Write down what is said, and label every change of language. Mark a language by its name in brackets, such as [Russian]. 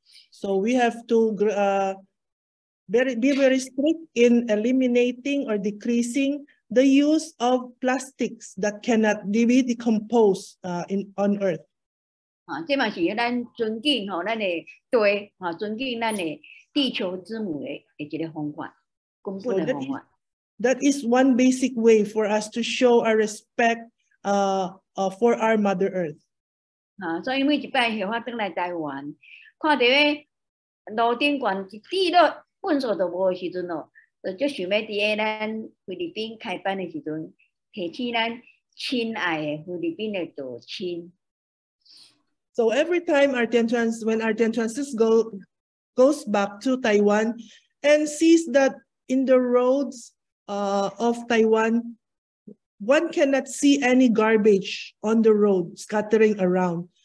[English] So we have to be very strict in eliminating or decreasing the use of plastics that cannot be decomposed on earth. [Min Nan Chinese] 这嘛是咱尊敬吼咱的地，尊敬咱的地球之母的一个方法，根本的方法。 [English] That is one basic way for us to show our respect for our Mother Earth. [Min Nan Chinese] 啊，所以每一摆回到台湾，看到咧路顶悬一滴落粪扫都无的时阵哦，就就想要伫咧咱菲律宾开班的时阵，提起咱亲爱的菲律宾的祖先。 [English] So every time our Tientrans, when our Tientrans goes back to Taiwan and sees that in the roads of Taiwan, one cannot see any garbage on the road scattering around.